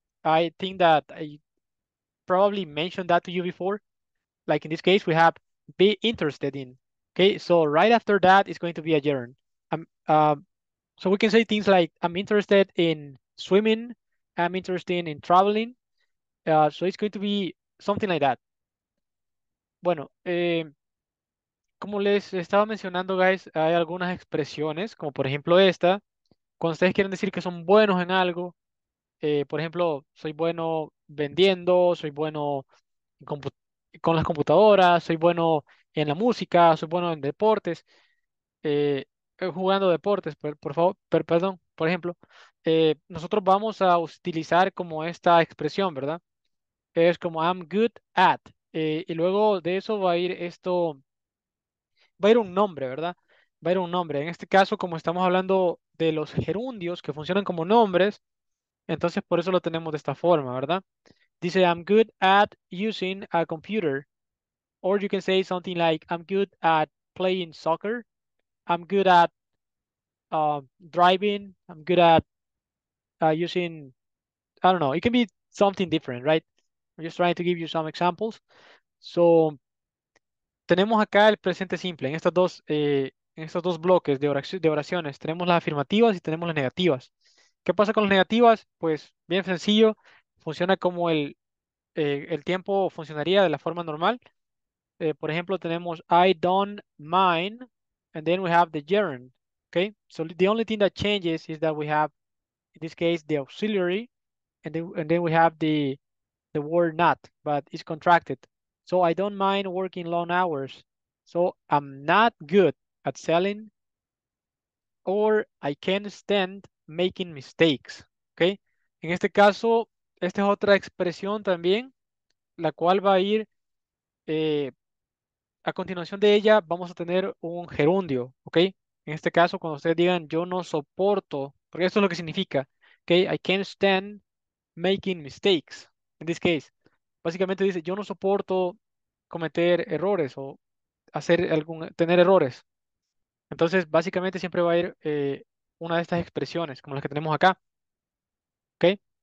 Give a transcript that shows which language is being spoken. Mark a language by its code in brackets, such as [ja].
[en] I think that I probably mentioned that to you before. Like in this case, we have be interested in. Okay, so right after that is going to be a gerund. So we can say things like, I'm interested in swimming. I'm interested in traveling. So it's going to be something like that. [es] Bueno, como les estaba mencionando, guys, hay algunas expresiones, como por ejemplo esta. Cuando ustedes quieren decir que son buenos en algo, por ejemplo, soy bueno vendiendo, soy bueno en con las computadoras, soy bueno en la música, soy bueno en deportes, jugando deportes, perdón, Por ejemplo, nosotros vamos a utilizar como esta expresión, ¿verdad? Es como [en] I'm good at. [es] Y luego de eso va a ir esto, va a ir un nombre, ¿verdad? Va a ir un nombre. En este caso, como estamos hablando de los gerundios que funcionan como nombres, entonces por eso lo tenemos de esta forma, ¿verdad? Dice, [en] I'm good at using a computer. Or you can say something like, I'm good at playing soccer. I'm good at driving. I'm good at using, I don't know. It can be something different, right? I'm just trying to give you some examples. [es] So, tenemos acá el presente simple. En estas dos, bloques de oraciones, tenemos las afirmativas y tenemos las negativas. ¿Qué pasa con las negativas? Pues, bien sencillo. Funciona como el tiempo funcionaría de la forma normal. Por ejemplo, tenemos [en] I don't mind, and then we have the gerund. Okay, so the only thing that changes is that we have, in this case, the auxiliary, and then we have the word not, but it's contracted. So I don't mind working long hours. So I'm not good at selling, or I can't stand making mistakes. [es] Okay, en este caso, esta es otra expresión también, la cual va a ir, a continuación de ella, vamos a tener un gerundio, ¿ok? En este caso, cuando ustedes digan, yo no soporto, porque esto es lo que significa, ¿ok? [en] I can't stand making mistakes, in this case. [es] Básicamente dice, yo no soporto cometer errores o hacer algún, tener errores. Entonces, básicamente siempre va a ir una de estas expresiones, como las que tenemos acá, ¿ok?